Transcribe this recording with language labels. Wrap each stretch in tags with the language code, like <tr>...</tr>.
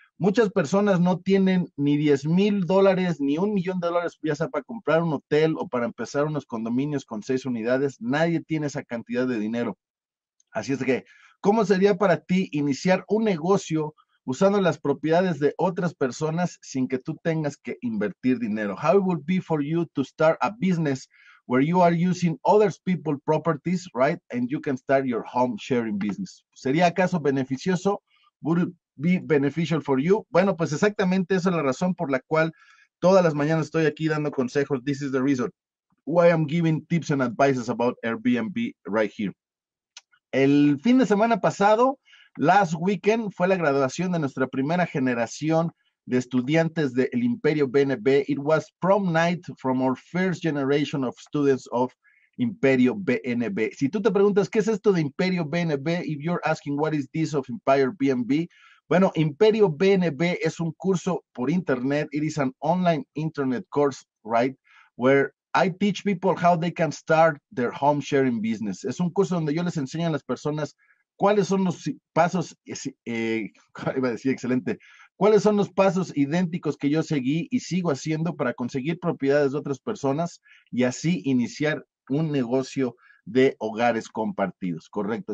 <es>Muchas personas no tienen ni 10 mil dólares ni 1 millón de dólares, ya sea para comprar un hotel o para empezar unos condominios con 6 unidades. Nadie tiene esa cantidad de dinero. Así es que, ¿cómo sería para ti iniciar un negocio usando las propiedades de otras personas sin que tú tengas que invertir dinero?</es> <en>How it would be for you to start a business where you are using other people's properties, right? And you can start your home sharing business.</en> <es>¿Sería acaso beneficioso?</es> <en>Would it be beneficial for you?</en> <es>Bueno, pues exactamente esa es la razón por la cual todas las mañanas estoy aquí dando consejos.</es> <en>This is the reason why I'm giving tips and advices about Airbnb right here.</en> <es>El fin de semana pasado,</es> <en>last weekend,</en> <es>fue la graduación de nuestra primera generación de estudiantes del Imperio BNB.</es> <en>It was prom night from our first generation of students of Imperio BNB.</en> <es>Si tú te preguntas, ¿qué es esto de Imperio BNB?</es> <en>If you're asking, what is this of Empire BNB?</en> <es>Bueno, Imperio BNB es un curso por internet.</es> <en>It is an online internet course, right? Where I teach people how they can start their home sharing business.</en> <es>Es un curso donde yo les enseño a las personas cuáles son los pasos, iba a decir excelente, cuáles son los pasos idénticos que yo seguí y sigo haciendo para conseguir propiedades de otras personas y así iniciar un negocio de hogares compartidos, ¿correcto?</es>